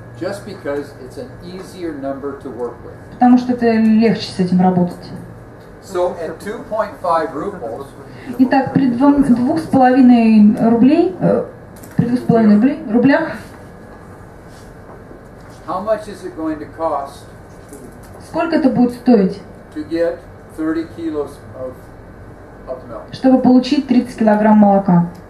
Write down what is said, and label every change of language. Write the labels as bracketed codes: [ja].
[en] Just because it's an easier number to work with. [ru] Потому что это легче с этим работать. [en] So at 2.5 rubles. [ru] Итак, при 2,5 рублей, при 2,5 рублях. [en] How much is it going to cost? [ru] Сколько это будет стоить? [en] To get 30 kilos of milk. [ru] Чтобы получить 30 килограмм молока.